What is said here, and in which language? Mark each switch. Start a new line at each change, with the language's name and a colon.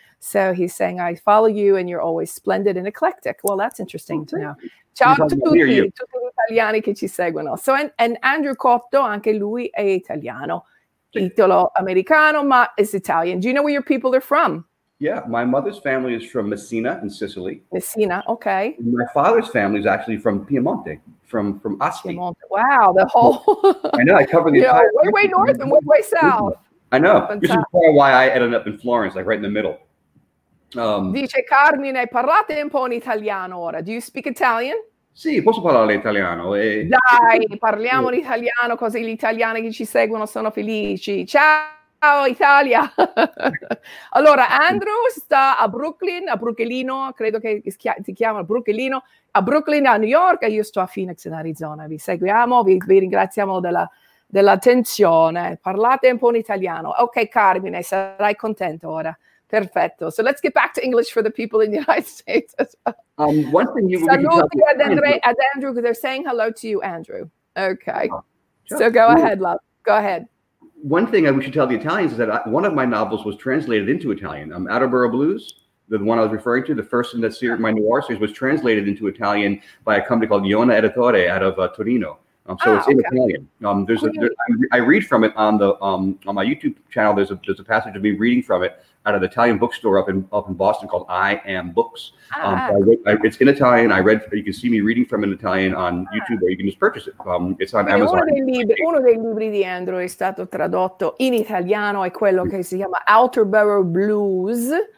English: So he's saying, I follow you and you're always splendid and eclectic. Well, that's interesting to know.
Italian: Ciao a tutti gli italiani che ci seguono.
English: So, and
Italian: Andrew Cotto, anche lui è italiano. Titolo americano, ma è
English: Italian. Do you know where your people are from? Yeah, my mother's family is from Messina in Sicily. Messina, okay. And my father's family is actually from Piemonte, from Asti. Piemonte, wow, the whole... I know, I cover the entire... Way, way north and way, way south. I know, this is probably why I ended up in Florence, like right in the middle.
Italian: Dice Carmine, parlate un po' in italiano ora.
English: Do you speak Italian?
Italian: Sì, posso parlare italiano. Dai, parliamo in italiano, così gli italiani che ci seguono sono felici. Ciao! Ciao Italia! Allora, Andrew sta a Brooklyn, a Brooklino, credo che si chiama Brooklino, a Brooklyn, a New York, e io sto a Phoenix, in Arizona. Vi seguiamo, vi ringraziamo dell'attenzione. Parlate un po' in italiano. Ok, Carmine, sarai contento ora. Perfetto.
English: So let's get back to English for the people in the United States as well. One thing you Andrew, they're saying hello to you, Andrew. Okay. Go ahead, love. One thing I should tell the Italians is that one of my novels was translated into Italian. Attleboro Blues, the one I was referring to, the first in that series, my noir series, was translated into Italian by a company called Iona Editore out of Torino. In Italian. I read from it on my YouTube channel. There's a passage of me reading from it out of the Italian bookstore up in Boston called I Am Books. It's in Italian. You can see me reading from in Italian on YouTube, or you can just purchase it. It's on Amazon.
Italian: Uno dei libri di Andrew è stato tradotto in italiano, è quello che si chiama Attleboro Blues.